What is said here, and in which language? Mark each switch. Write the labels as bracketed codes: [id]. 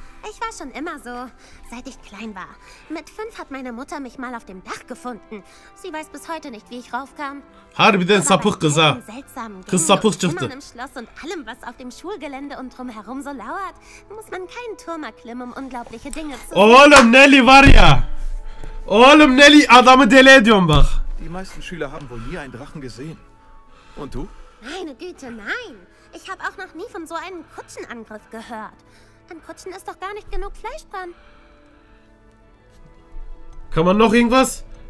[de] Ich war schon immer so, seit ich klein war. Mit 5 hat meine Mutter mich mal auf dem Dach gefunden. Sie weiß bis heute nicht, wie ich raufkam. Habe ich denn Sapuch gesagt? Immer im Schloss und allem, was auf dem Schulgelände und drumherum so lauert, muss man keinen Turm erklimmen, um unglaubliche Dinge zu sehen. [tr] Oğlum Nelly var ya. Oğlum Nelly adamı deli ediyorum bak. [de] Die meisten Schüler haben wohl nie einen Drachen gesehen. Und du? Meine Güte, nein. Ich habe auch noch nie von so einem Kutschenangriff gehört. An Kutschen ist doch gar nicht genug Fleisch dran. Kann man noch irgendwas?